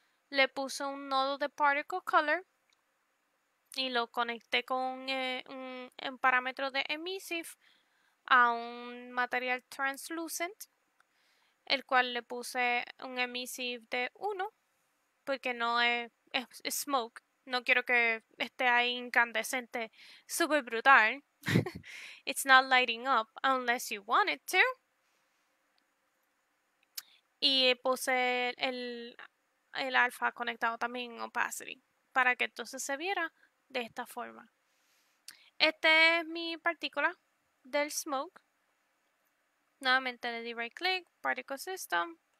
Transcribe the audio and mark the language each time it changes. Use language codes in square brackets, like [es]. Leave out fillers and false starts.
[es] Le puse un nodo de particle color y lo conecté con un parámetro de emissive a un material translucent, el cual le puse un emissive de 1 porque no es smoke. No quiero que esté ahí incandescente, súper brutal. [en] It's not lighting up unless you want it to. [es] Y puse el alfa conectado también en opacity para que entonces se viera de esta forma. Esta es mi partícula del smoke. Nuevamente le di right click, particle system.